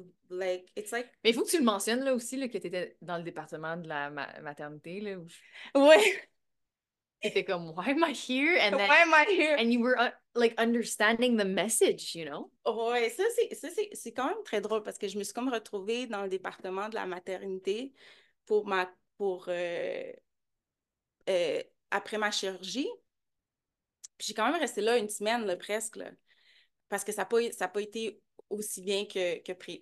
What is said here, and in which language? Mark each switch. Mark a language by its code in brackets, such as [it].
[fr] Mais il faut que tu le mentionnes là aussi, là, que tu étais dans le département de la ma maternité, là, où Ouais. tu étais comme, [en] Why am I here? And then, Why and you were like understanding the message, you know? am I here? [fr] Ouais, ça c'est quand même très drôle parce que je me suis comme retrouvée dans le département de la maternité pour ma pour après ma chirurgie. J'ai quand même resté là une semaine là, presque là, parce que ça a pas été aussi bien que pris.